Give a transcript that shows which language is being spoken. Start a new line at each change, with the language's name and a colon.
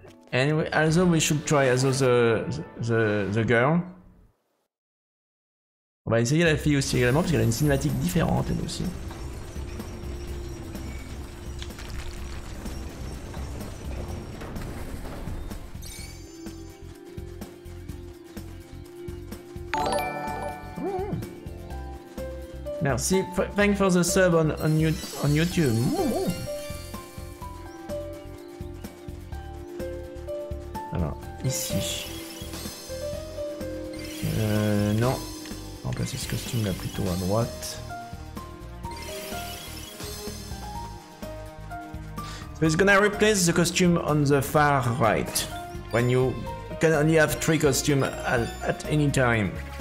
English: Anyway, also we should try also the girl.
French: On va essayer la fille aussi également parce qu'elle a une cinématique différente elle aussi. Merci,
English: thanks for the sub on YouTube.
French: Alors, ici. Non. On va remplacer ce costume là plutôt à droite.
English: So it's gonna replace the costume on the far right. When you can only have three costumes at any time.